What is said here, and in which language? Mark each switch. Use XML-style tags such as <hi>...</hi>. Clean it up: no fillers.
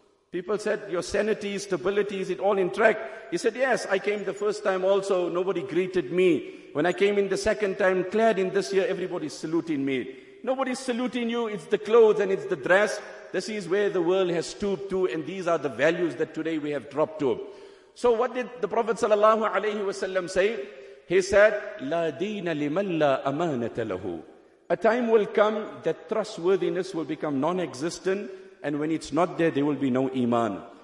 <en>People said, your sanity, stability, is it all in track? He said, yes, I came the first time also, nobody greeted me. When I came in the second time, clad in this year, everybody's saluting me. Nobody's saluting you, it's the clothes and it's the dress. This is where the world has stooped to, and these are the values that today we have dropped to. So what did the Prophet sallallahu alayhi wa sallam say? He said,</en> <ar>لَا دِينَ لِمَنْ لَا أَمَانَةَ لَهُ.</ar> <en>A time will come that trustworthiness will become non-existent, and when it's not there, there will be no iman.</en>